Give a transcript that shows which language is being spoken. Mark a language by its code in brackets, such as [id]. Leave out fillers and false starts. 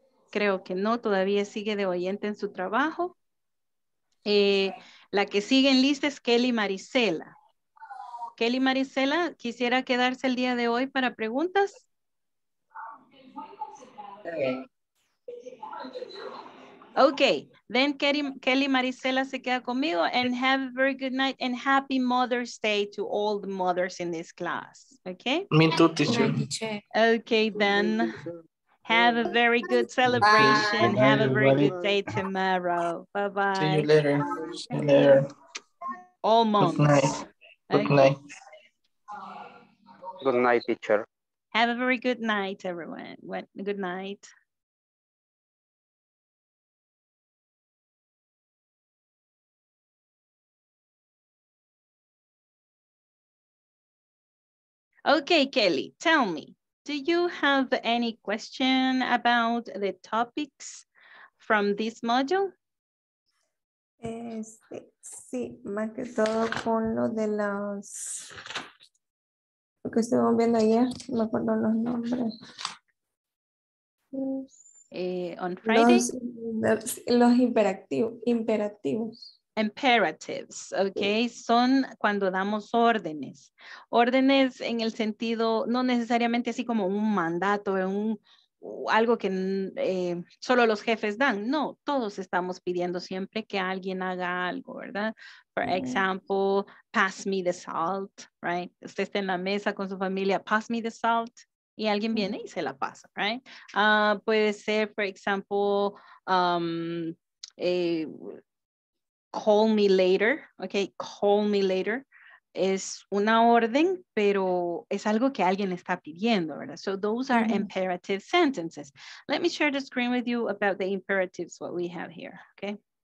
[es] Creo que no, todavía sigue de oyente en su trabajo. La que sigue en lista es Kelly Marisela. Kelly Marisela, ¿quisiera quedarse el día de hoy para preguntas? [en] Okay, then Kelly Marisela [es] se queda conmigo [en] and have a very good night and happy Mother's Day to all the mothers in this class. Okay? Me too, teacher. Okay, then have a very good celebration. Bye. Have a very good day tomorrow. Bye bye. See you later. See you later. Almost. Good night. Good okay. night. Good night, teacher. Have a very good night, everyone. Good night. Okay, Kelly, tell me, do you have any question about the topics from this module? [es] Sí, más que todo con lo de los lo que estuvimos viendo ayer, no me acuerdo los nombres. [en] On Friday. [es] Los imperativos. Imperatives, okay, sí. Son cuando damos órdenes. Órdenes en el sentido, no necesariamente así como un mandato, algo que solo los jefes dan. No, todos estamos pidiendo siempre que alguien haga algo, ¿verdad? [en] For example, pass me the salt, right? [es] Usted está en la mesa con su familia, [en] pass me the salt, [es] y alguien viene y se la pasa, right? Puede ser, [en] for example, call me later, okay, call me later. [es] Es una orden, pero es algo que alguien está pidiendo, ¿verdad? [en] So those are imperative sentences. Let me share the screen with you about the imperatives, what we have here, okay?